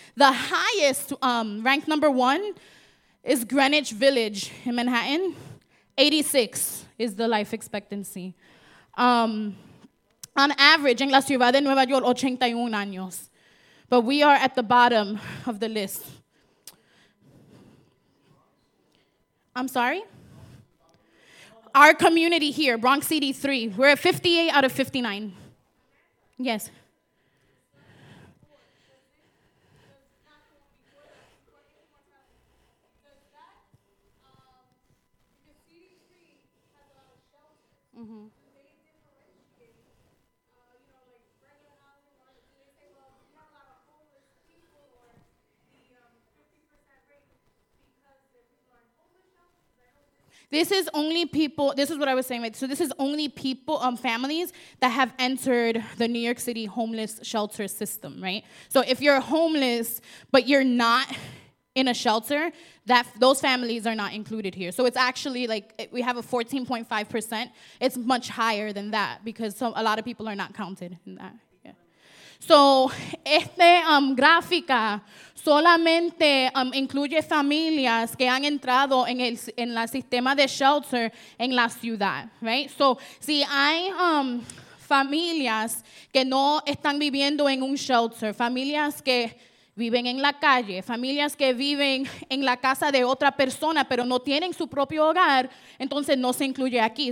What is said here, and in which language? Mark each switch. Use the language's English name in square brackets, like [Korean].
[English] The highest, ranked number one, is Greenwich Village in Manhattan. 86 is the life expectancy. On average, [Spanish] en la ciudad de Nueva York, 81 años. [English] But we are at the bottom of the list. I'm sorry? Our community here, Bronx City 3, we're at 58 out of 59. Yes. This is only people, this is what I was saying, right? So this is only people, families that have entered the New York City homeless shelter system, right? So if you're homeless, but you're not in a shelter, that those families are not included here. So it's actually like, we have a 14.5%. It's much higher than that because a lot of people are not counted in that. Yeah. [Spanish] So este gráfica solamente incluye familias que han entrado en el sistema de shelter en la ciudad, right? So si hay familias que no están viviendo en un shelter, familias que viven en la calle, familias que viven en la casa de otra persona pero no tienen su propio hogar, entonces no se incluye aquí.